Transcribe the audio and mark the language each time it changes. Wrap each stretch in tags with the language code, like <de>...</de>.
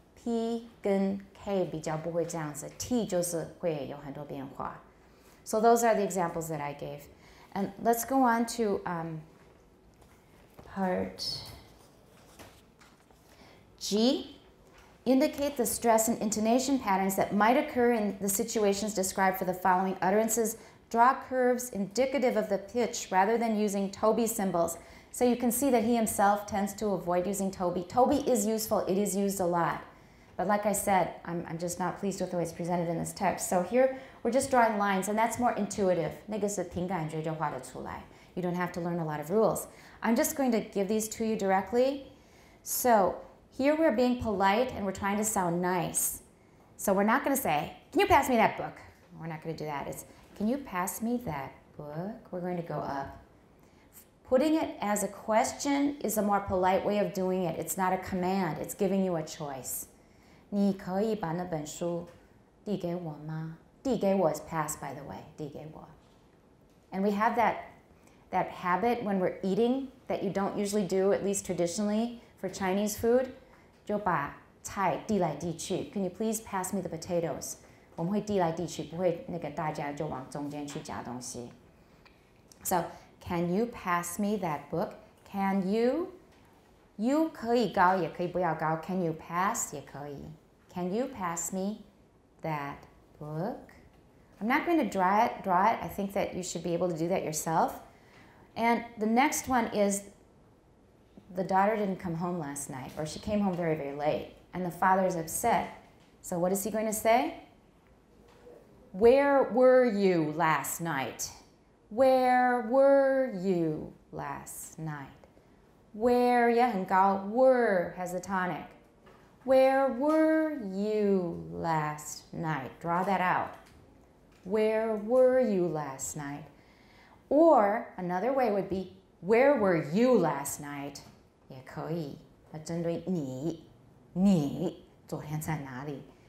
<zh>那个P跟K比较不会这样子, T就是会有很多变化.</zh> <en>So those are the examples that I gave. And let's go on to part G, indicate the stress and intonation patterns that might occur in the situations described for the following utterances. Draw curves indicative of the pitch rather than using Toby symbols. So you can see that he himself tends to avoid using Toby. Toby is useful, it is used a lot. But like I said, I'm just not pleased with the way it's presented in this text. So here, we're just drawing lines and that's more intuitive.</en> <zh>那个是凭感觉就画得出来.</zh> <en>You don't have to learn a lot of rules. I'm just going to give these to you directly. So, here we're being polite and we're trying to sound nice. So we're not going to say, can you pass me that book? We're not going to do that. It's, can you pass me that book? We're going to go up. Putting it as a question is a more polite way of doing it. It's not a command. It's giving you a choice.</en> <zh>你可以把那本书递给我吗? 递给我</zh> <en>is pass, by the way.</en> <zh>递给我.</zh> <en>And we have that habit when we're eating that you don't usually do, at least traditionally, for Chinese food.</en> <zh>就把菜递来递去,</zh> <en>can you please pass me the potatoes?</en> <zh>我们会递来递去, 不会那个大家就往中间去夹东西.</zh> <en>So, can you pass me that book? Can you?</en> <zh>又可以高也可以不要高,</zh> <en>can you pass?</en> <zh>也可以.</zh> <en>Can you pass me that book? I'm not going to draw it. I think that you should be able to do that yourself. And the next one is, the daughter didn't come home last night, or she came home very, very late, and the father is upset. So what is he going to say? Where were you last night? Where were you last night? Where, yeah, and got were has the tonic. Where were you last night? Draw that out. Where were you last night? Or another way would be, where were you last night?</en> <zh>也可以,那针对你,你昨天在哪里?</zh>